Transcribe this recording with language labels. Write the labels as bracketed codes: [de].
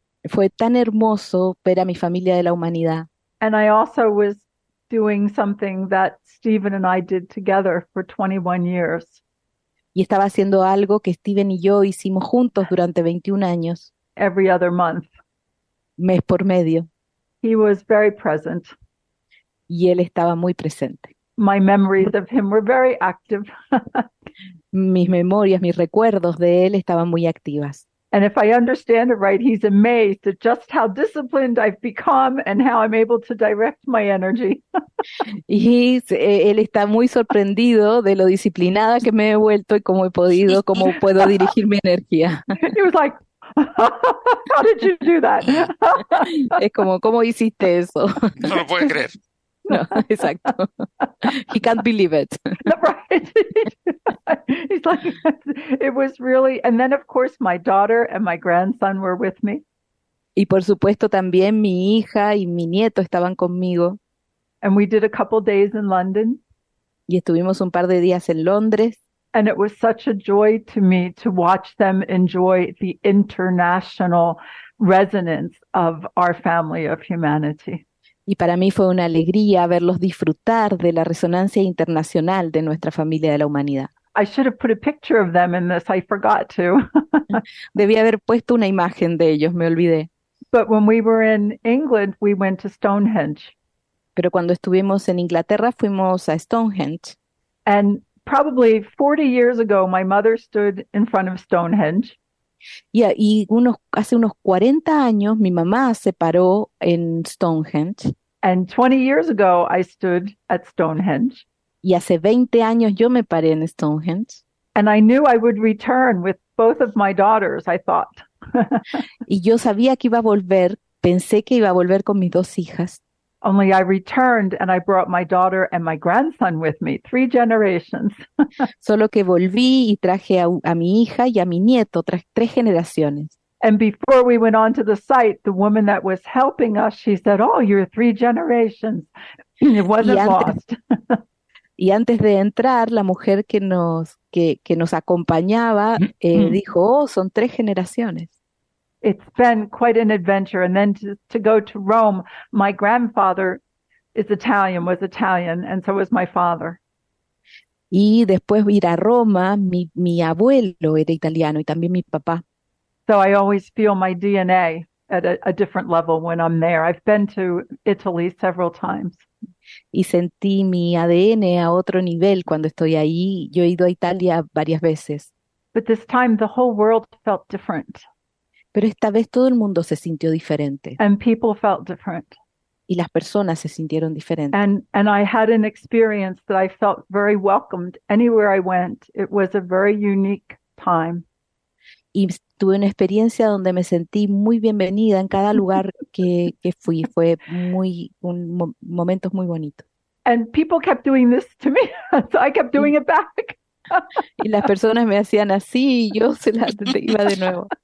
[es] Fue tan hermoso ver a mi familia de la humanidad. [en] And I also was doing something that Stephen and I did together for 21 years. [es] Y estaba haciendo algo que Stephen y yo hicimos juntos durante 21 años. [en] Every other month. [es] Mes por medio. [en] He was very present. [es] Y él estaba muy presente. [en] My memories of him were very active. [es] Mis memorias, mis recuerdos de él estaban muy activas. [en] And if I understand it right, he's amazed at just how disciplined I've become and how I'm able to direct my energy. [es] Y él está muy sorprendido de lo disciplinada que me he vuelto y cómo puedo dirigir mi energía. [en] He was like, how did you do that? [es] Es como, ¿cómo hiciste eso? No lo puede creer. No, exacto. [en] He can't believe it. Right. He's like, it was really, and then of course my daughter and my grandson were with me. [es] Y por supuesto también mi hija y mi nieto estaban conmigo. [en] And we did a couple days in London. [es] Y estuvimos un par de días en Londres. [en] And it was such a joy to me to watch them enjoy the international resonance of our family of humanity. [es] Y para mí fue una alegría verlos disfrutar de la resonancia internacional de nuestra familia de la humanidad. [en] I should have put a picture of them in this, I forgot to. [es] Debí haber puesto una imagen de ellos, me olvidé. [en] But when we were in England, we went to Stonehenge. [es] Pero cuando estuvimos en Inglaterra, fuimos a Stonehenge. [en] And probably 40 years ago, my mother stood in front of Stonehenge. [es] Yeah, y hace unos 40 años mi mamá se paró en Stonehenge. [en] And 20 years ago, I stood at Stonehenge. [es] Y hace 20 años yo me paré en Stonehenge. [en] And I knew I would return with both of my daughters, I thought. [es] Y yo sabía que iba a volver, pensé que iba a volver con mis dos hijas. [en] Only I returned and I brought my daughter and my grandson with me, 3 generations. [es] Solo que volví y traje a mi hija y a mi nieto, tres generaciones. [en] And before we went on to the site, the woman that was helping us, she said, oh, you're 3 generations. It wasn't lost. [es] Y antes de entrar, la mujer que nos acompañaba dijo, oh, son 3 generaciones. [en] It's been quite an adventure. And then to go to Rome, my grandfather was Italian, and so was my father. [es] Y después ir a Roma, mi abuelo era italiano y también mi papá. [en] So I always feel my DNA at a different level when I'm there. I've been to Italy several times. [es] Y sentí mi ADN a otro nivel cuando estoy ahí. Yo he ido a Italia varias veces. [en] But this time the whole world felt different. [es] Pero esta vez todo el mundo se sintió diferente. [en] And people felt different. [es] Y las personas se sintieron diferentes. [en] And I had an experience that I felt very welcomed anywhere I went. It was a very unique time. [es] Y tuve una experiencia donde me sentí muy bienvenida en cada lugar que fui. Fue momentos muy bonitos. [en] And people kept doing this to me, so I kept doing it back. [es] Y las personas me hacían así y yo se las iba de nuevo.